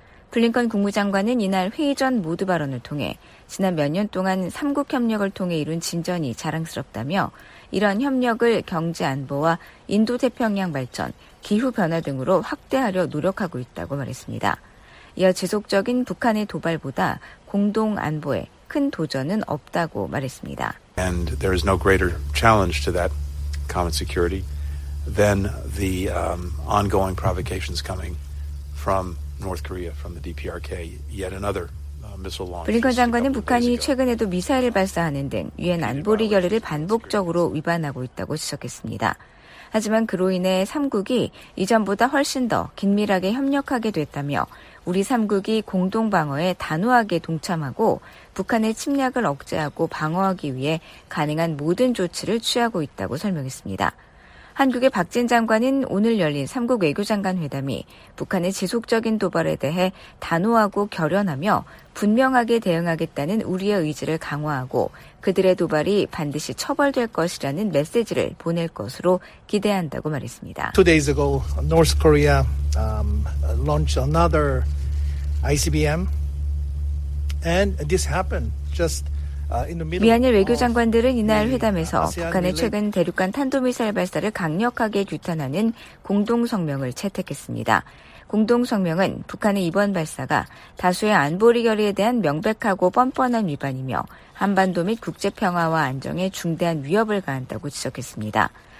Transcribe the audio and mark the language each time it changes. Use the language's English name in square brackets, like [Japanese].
[Korean] 블링컨 국무장관은 이날 회의 전 모두 발언을 통해 지난 몇 년 동안 3국 협력을 통해 이룬 진전이 자랑스럽다며 이런 협력을 경제 안보와 인도태평양 발전, 기후변화 등으로 확대하려 노력하고 있다고 말했습니다. 이어 지속적인 북한의 도발보다 공동 안보에 큰 도전은 없다고 말했습니다. [English] And there is no greater challenge to that common security than the ongoing provocations coming from North Korea, from the DPRK, yet another. [Korean] 블링컨 장관은 북한이 최근에도 미사일을 발사하는 등 유엔 안보리 결의를 반복적으로 위반하고 있다고 지적했습니다. 하지만 그로 인해 3국이 이전보다 훨씬 더 긴밀하게 협력하게 됐다며 우리 3국이 공동방어에 단호하게 동참하고 북한의 침략을 억제하고 방어하기 위해 가능한 모든 조치를 취하고 있다고 설명했습니다. 한국의 박진 장관은 오늘 열린 3국 외교장관 회담이 북한의 지속적인 도발에 대해 단호하고 결연하며 분명하게 대응하겠다는 우리의 의지를 강화하고 그들의 도발이 반드시 처벌될 것이라는 메시지를 보낼 것으로 기대한다고 말했습니다. [English] Two days ago, North Korea launched another ICBM, and this happened just. [Korean] 미한일 외교장관들은 이날 회담에서 북한의 최근 대륙간 탄도미사일 발사를 강력하게 규탄하는 공동성명을 채택했습니다. 공동성명은 북한의 이번 발사가 다수의 안보리 결의에 대한 명백하고 뻔뻔한 위반이며 한반도 및 국제평화와 안정에 중대한 위협을 가한다고 지적했습니다.